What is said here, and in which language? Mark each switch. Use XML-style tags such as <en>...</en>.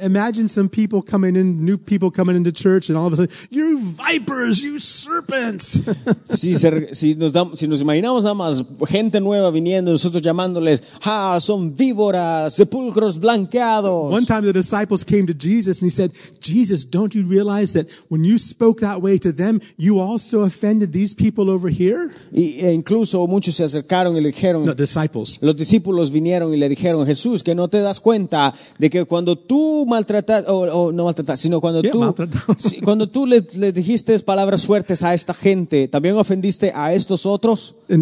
<en>imagine some people coming in, new people coming into church, and all of a sudden, you vipers, you serpents.</en> <es>si nos imaginamos nada más gente nueva viniendo, nosotros llamándoles, ah, son víboras, sepulcros blanqueados.</es> <en>One time the disciples came to Jesus and he said, Jesus, don't you realize that when you spoke that way to them, you also offended these people over here?</en> <es>Y incluso muchos se acercaron y le dijeron,</es> <en>no, disciples.</en> <es>Los discípulos vinieron y le dijeron, Jesús, que no te das cuenta de que cuando tú maltratas o no maltratas, sino cuando</es> <en>yeah,</en> <es>tú cuando tú le dijiste palabras fuertes a esta gente, también ofendiste a estos otros.</es>